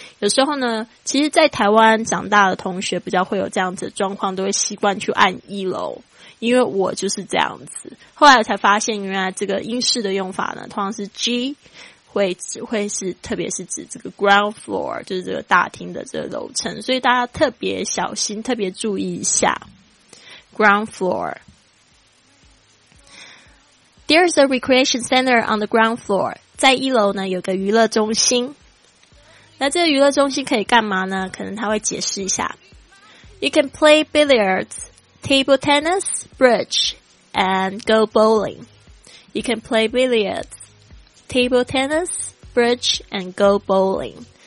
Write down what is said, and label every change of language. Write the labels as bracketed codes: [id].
[zh] 有时候呢，其实在台湾长大的同学比较会有这样子的状况，都会习惯去按一楼，因为我就是这样子，后来我才发现原来这个英式的用法呢，通常是 G 会是特别是指这个 ground floor， 就是这个大厅的这个楼层，所以大家特别小心特别注意一下 ground floor。 [en] There's a recreation center on the ground floor. [zh] 在一楼呢有个娱乐中心。那这个娱乐中心可以干嘛呢？可能他会解释一下。 [en] You can play billiards, table tennis, bridge, and go bowling. You can play billiards, table tennis, bridge, and go bowling.